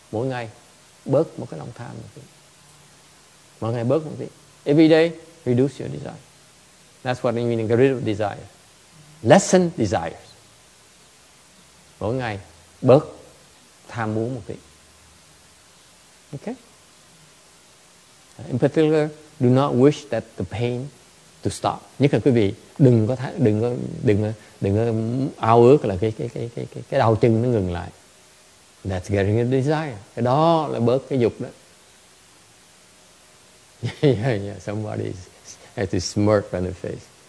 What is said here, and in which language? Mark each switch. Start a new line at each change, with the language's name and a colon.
Vietnamese: Mỗi ngày bớt một cái lòng tham. Mỗi ngày bớt một cái.
English: Every day reduce your desire. That's what it means to get rid of desire. Lessen desires.
Vietnamese: Mỗi ngày bớt tham muốn một cái.
English: Okay? In particular, do not wish that the pain to stop.
Vietnamese: Nhất là quý vị đừng có ao ước là cái đau chân nó ngừng lại.
English: That's getting a desire.
Vietnamese: Cái đó là bớt cái dục đó.
English: Yeah. Somebody has to smirk on their face.